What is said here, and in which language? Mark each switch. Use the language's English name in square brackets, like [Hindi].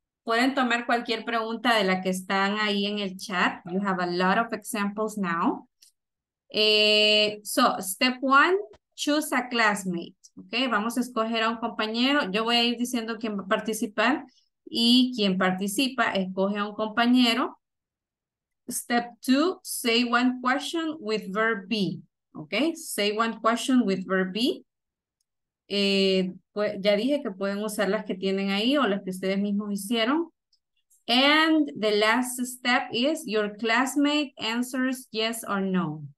[Spanish] Pueden tomar cualquier pregunta de la que están ahí en el chat. [English] You have a lot of examples now. So, step one, choose a classmate. [Spanish] Ok, vamos a escoger a un compañero. Yo voy a ir diciendo quién va a participar y quien participa escoge a un compañero. [English] Step two, say one question with verb be. Ok, say one question with verb be. [Spanish] Pues ya dije que pueden usar las que tienen ahí o las que ustedes mismos hicieron. [English] And the last step is your classmate answers yes or no.